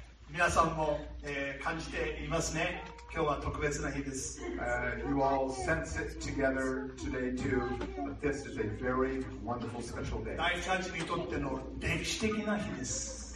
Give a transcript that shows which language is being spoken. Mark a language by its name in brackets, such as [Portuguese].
[Japanese] 皆さんも、感じていますね。今日は特別な日です。 [English] You all sense it together today too, but this is a very wonderful special day. [Japanese] 大チャーチにとっての歴史的な日です。